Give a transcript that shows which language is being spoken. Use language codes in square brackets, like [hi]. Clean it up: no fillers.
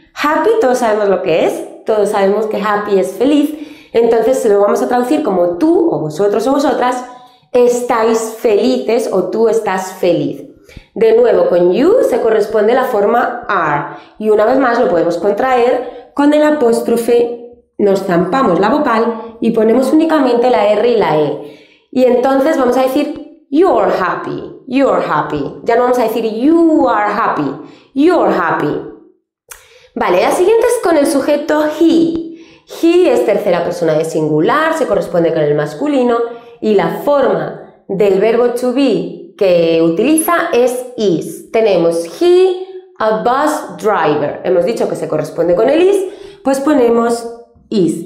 [es] Happy, todos sabemos lo que es, todos sabemos que happy es feliz, entonces lo vamos a traducir como tú, o vosotros, o vosotras, estáis felices, o tú estás feliz. De nuevo, con you se corresponde la forma are, y una vez más lo podemos contraer con el apóstrofe, nos zampamos la vocal y ponemos únicamente la R y la E. Y entonces vamos a decir [en] you're happy, you're happy. [es] Ya no vamos a decir [en] you are happy, you're happy. [es] Vale, la siguiente es con el sujeto he. He es tercera persona de singular, se corresponde con el masculino y la forma del verbo to be que utiliza es is. Tenemos [en] he a bus driver. [es] Hemos dicho que se corresponde con el is, pues ponemos is.